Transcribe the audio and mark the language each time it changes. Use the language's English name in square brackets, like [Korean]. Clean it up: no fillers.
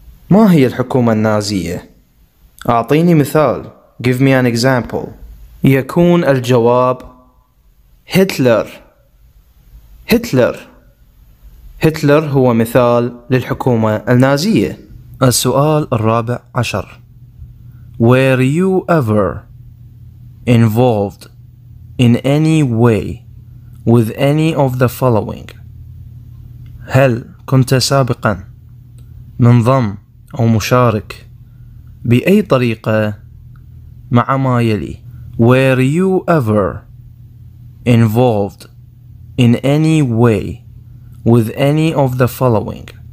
[Arabic] ما هي الحكومة النازية؟ أعطيني مثال. [English] Give me an example. [Arabic] يكون الجواب هتلر. هتلر. هتلر هو مثال للحكومة النازية. السؤال 14. [English] Were you ever involved in any way with any of the following? [Arabic] هل كنت سابقا منضم أو مشارك بأي طريقة مع ما يلي؟ [English] Were you ever involved in any way with any of the following?